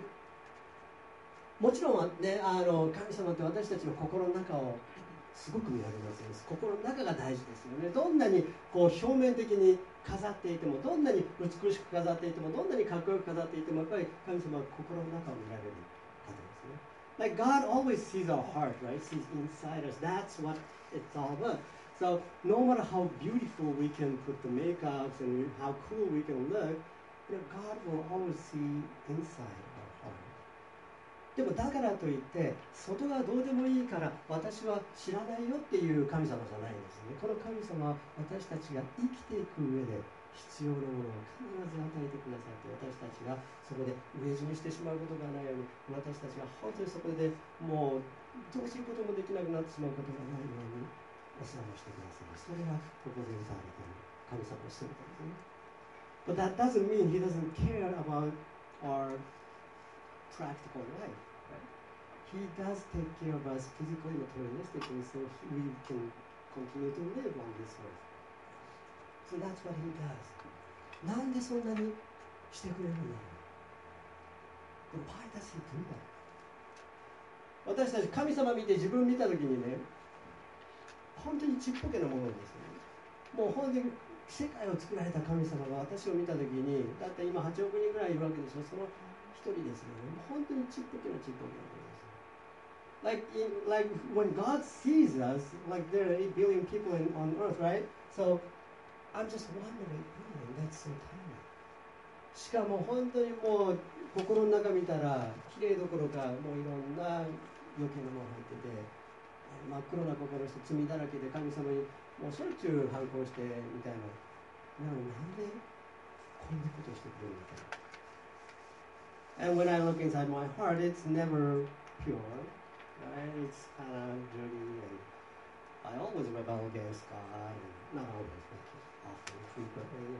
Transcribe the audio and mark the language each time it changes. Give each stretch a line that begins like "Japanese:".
Japanese: で、もちろんね、神様って私たちの心の中をすごく見られますよ。心の中が大事ですよね。どんなにこう表面的に飾っていても、どんなに美しく飾っていても、どんなにかっこよく飾っていても、やっぱり神様は心の中を見られる方ですね。
English: Like God always sees our heart, right? Sees inside us. That's what it's all about. So no matter how beautiful we can put the makeups and how cool we can look, you know, God will always see inside.
Japanese: でもだからといって外がどうでもいいから私は知らないよっていう神様じゃないんですね。この神様は私たちが生きていく上で必要なものを必ず与えてくださって、私たちがそこで飢え死にしてしまうことがないように、私たちが本当にそこでもうどうすることもできなくなってしまうことがないようにお世話をしてくださる。それがここで歌われている神様の姿ですね。
English: But that doesn't mean he doesn't care about ourpractical life. Right? He does take care of us physically, materialistically, so we can continue to live on this earth. So that's what he does.
Japanese: なんでそんなにしてくれるの?
English: But why does he do that?
Japanese: 私たち神様見て自分見た時にね、本当にちっぽけなものですよね。もう本当に世界を作られた神様が私を見た時に、だって今8億人ぐらいいるわけでしょ。その一人ですよね。本当にちっぽけなちっぽけなものです。
English: Like when God sees us, like there are 8 billion people on earth, right? So I'm just wondering, man, that's so tiny.
Japanese: しかも本当にもう心の中見たら綺麗どころかもういろんな余計なもの入ってて、真っ黒な心して罪だらけで神様にもうしょっちゅう反抗してみたいな。なのになんでこんなことしてくれるみたいな。
English: And when I look inside my heart, it's never pure, right? It's kind of dirty, and I always rebel against God, and not always, but often, frequently.